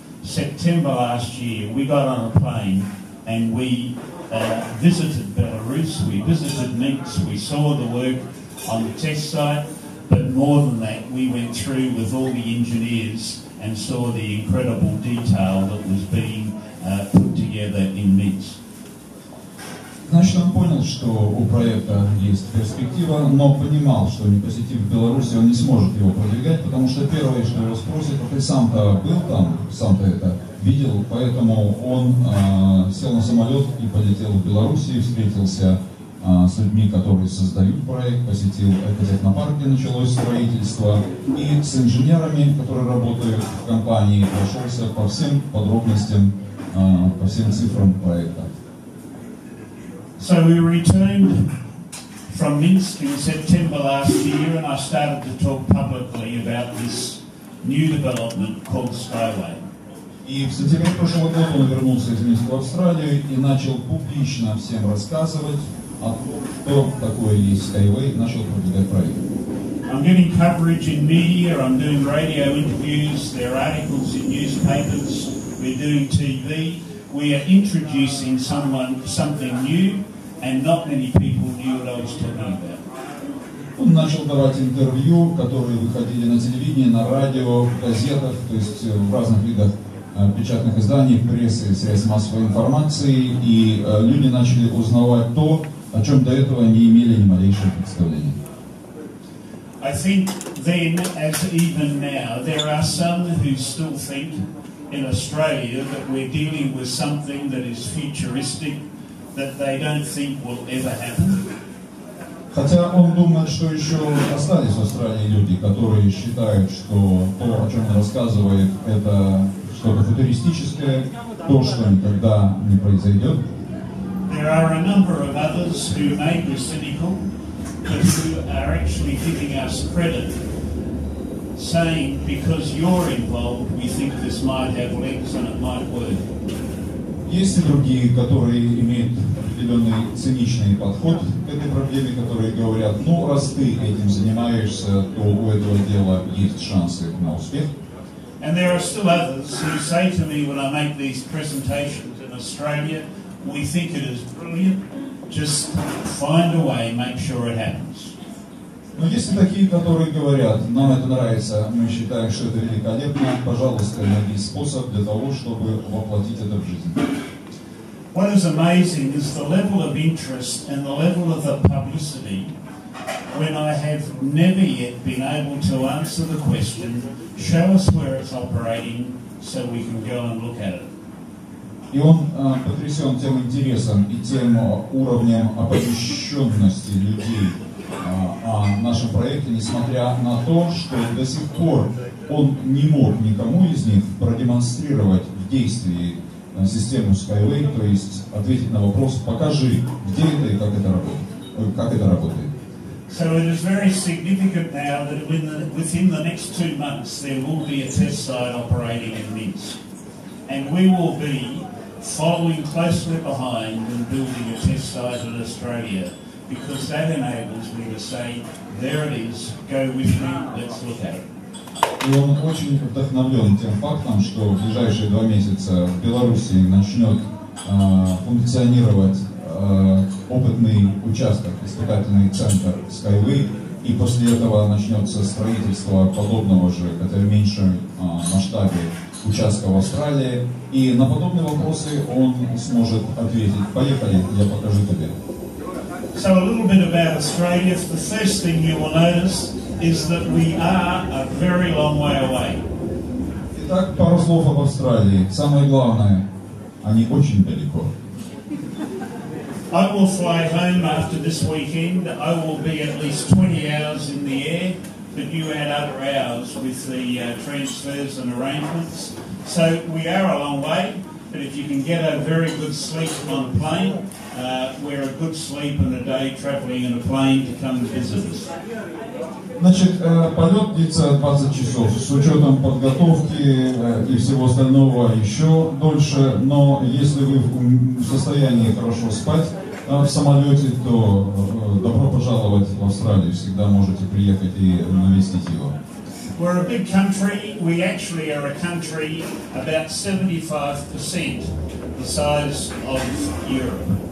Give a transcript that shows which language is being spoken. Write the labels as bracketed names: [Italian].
[English] September last year, we got on a plane and we visited Belarus, we visited Minsk, we saw the work on the test site. But more than that, we went through with all the engineers and saw the incredible detail that was being put together in Minsk. [Russian] Значит, он понял, что у проекта есть перспектива, но понимал, что не посетив Беларусь, он не сможет его продвигать, потому что первое, что его спросят, ты сам-то был там, сам-то это видел, поэтому он сел на самолет и полетел в Беларусь и встретился с людьми, которые создают проект, посетил экотехнопарк, где началось строительство, и с инженерами, которые работают в компании, прошелся по всем подробностям, по всем цифрам проекта. [English] So we returned from Minsk in September last year, and I started to talk publicly about this new development called SkyWay. [Russian] И в сентябре прошлого года он вернулся из Минска в Австралию и начал публично всем рассказывать, [English] I'm getting coverage in media, I'm doing radio interviews, there are articles in newspapers, we're doing TV, we are introducing something new, and not many people knew what I was talking about. [Russian] Он начал давать интервью, которые выходили на телевидении, на радио, в газетах, то есть в разных видах печатных изданий, прессы, средств массовой информации, и люди начали узнавать то, о чем до этого не имели ни малейшего представления. [English] I think then, as even now, there are some who still think in Australia that we're dealing with something that is futuristic, that they don't think will ever happen. [Russian] Хотя он думает, что еще остались в Австралии люди, которые считают, что то, о чем он рассказывает, это что-то футуристическое, то, что никогда не произойдет. [English] There are a number of others who may be cynical, but who are actually giving us credit, saying, because you're involved, we think this might have legs and it might work. [Russian] Есть и другие, которые имеют определенный циничный подход к этой проблеме, которые говорят, ну, раз ты этим занимаешься, то у этого дела есть шансы на успех. [English] And there are still others who say to me when I make these presentations in Australia, we think it is brilliant, just find a way, make sure it happens. [Russian] Но есть и такие, которые говорят, нам это нравится, мы считаем, что это великолепно, пожалуйста, найди способ для того, чтобы воплотить это в жизнь. [English] What is amazing is the level of interest and the level of the publicity when I have never yet been able to answer the question, show us where it's operating so we can go and look at it. [Russian] И он потрясен тем интересом и тем уровнем оповещенности людей о нашем проекте, несмотря на то, что до сих пор он не мог никому из них продемонстрировать в действии систему SkyWay, то есть ответить на вопрос, покажи, где это и как это работает. [English] So it is very significant now that within the next 2 months there will be a test site operating in Minsk. And we will be following closely behind and building a test site in Australia. Because that enables me to say, there it is, go with me, let's look at it. [Russian] И он очень вдохновлен тем фактом, что в ближайшие 2 месяца в Беларуси начнет функционировать опытный участок, испытательный центр SkyWay, и после этого начнется строительство подобного же, хотя в меньшем масштабе, участка в Австралии. И на подобные вопросы он сможет ответить. Поехали, я покажу тебе. [English] So a little bit about Australia. The first thing you will notice is that we are a very long way away. [Russian] Итак, пару слов об Австралии. Самое главное, они очень далеко. [English] I will fly home after this weekend. I will be at least 20 hours in the air, but you add other hours with the transfers and arrangements. So we are a long way. But if you can get a very good sleep on a plane, we're a good sleep and a day traveling in a plane to come visit us. [Russian] Значит, полет длится 20 часов, с учетом подготовки и всего остального еще дольше, но если вы в состоянии хорошо спать в самолете, то добро пожаловать в Австралию, всегда можете приехать и навестить его. [English] We're a big country, we actually are a country about 75% the size of Europe.